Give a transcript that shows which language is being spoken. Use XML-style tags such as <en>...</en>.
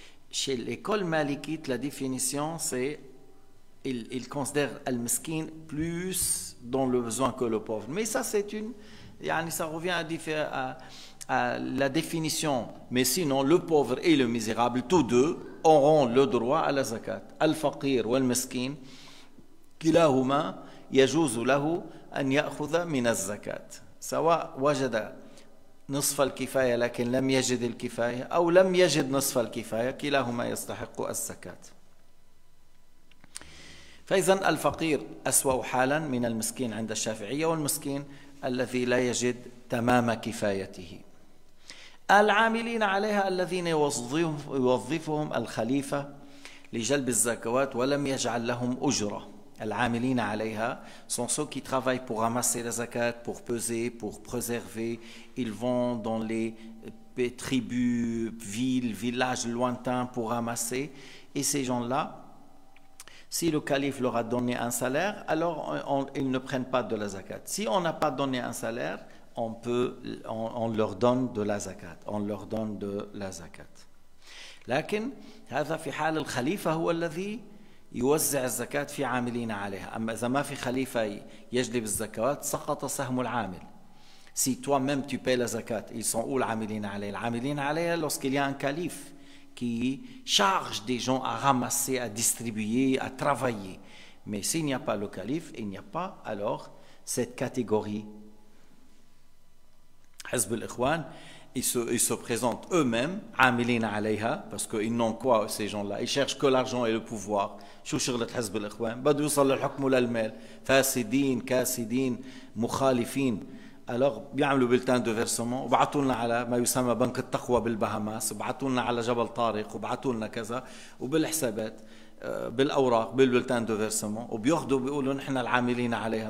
<fr>Chez l'école malikite, la définition c'est il considère المسكين plus dans le besoin que le pauvre. Mais ça c'est une, yani ça revient à la définition. Mais sinon le pauvre et le misérable, tous deux auront le droit à la zakat.</fr> <ar>الفقير والمسكين كلاهما يجوز له أن يأخذ من الزكاة سواء وجد نصف الكفاية لكن لم يجد الكفاية أو لم يجد نصف الكفاية كلاهما يستحق الزكاة. فإذا الفقير أسوأ حالا من المسكين عند الشافعية والمسكين الذي لا يجد تمام كفايته. العاملين عليها الذين يوظفهم الخليفة لجلب الزكوات ولم يجعل لهم أجرة.</ar> <fr>العاملين عليها sont ceux qui travaillent pour ramasser la zakat, pour peser, pour préserver. Ils vont dans les tribus, villes, villages lointains pour ramasser. Et ces gens-là, si le calife leur a donné un salaire, alors ils ne prennent pas de la zakat. Si on n'a pas donné un salaire, on leur donne de la zakat. On leur donne de la zakat.</fr> <ar>لكن هذا في حال الخليفة هو الذي يوزع الزكاة في عاملين عليها. أما إذا ما في خليفة يجلب الزكوات سقط سهم العامل.</ar> <fr>Si toi-même tu payes la zakat, ils sont où العاملين عليها؟ العاملين عليها lorsqu'il y a un calife qui charge des gens à ramasser, à distribuer, à travailler. Mais s'il n'y a pas le calife, il n'y a pas alors cette catégorie. حزب الإخوان, ils se présentent eux-mêmes عاملين عليها, parce qu'ils n'ont quoi ces gens-là, ils cherchent que l'argent et le pouvoir.</fr> <ar>شو شغلة حزب الإخوان؟ بدو يوصل للحكم وللمال. فاسدين كاسدين مخالفين. Alors بيعملوا بلتان دو فيرسومون وبعطولنا على ما يسمى بنك التقوى بالبهاماس وبعطولنا على جبل طارق وبعطولنا كذا وبالحسابات بالأوراق بالبلتان دو فيرسومون وبيأخذوا بيقولوا نحن العاملين عليها.</ar>